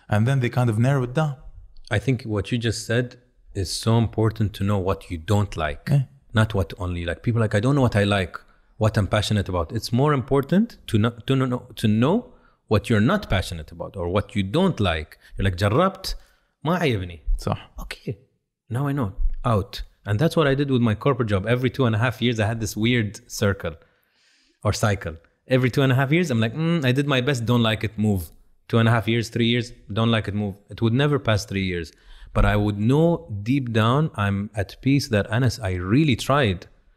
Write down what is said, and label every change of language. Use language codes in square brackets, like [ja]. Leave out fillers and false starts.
[en] And then they kind of narrow it down. I think what you just said is so important, to know what you don't like, not what only like. People are like, I don't know what I like, what I'm passionate about. It's more important to know what you're not passionate about or what you don't like. You're like, [ar] جربت ما عيبني. صح. [en] Okay, now I know, out. And that's what I did with my corporate job. Every 2.5 years, I had this weird circle or cycle. Every 2.5 years, I'm like, I did my best, don't like it, move. 2.5 years, 3 years, don't like it, move. It would never pass 3 years. But I would know deep down, I'm at peace that, Anas, I really tried.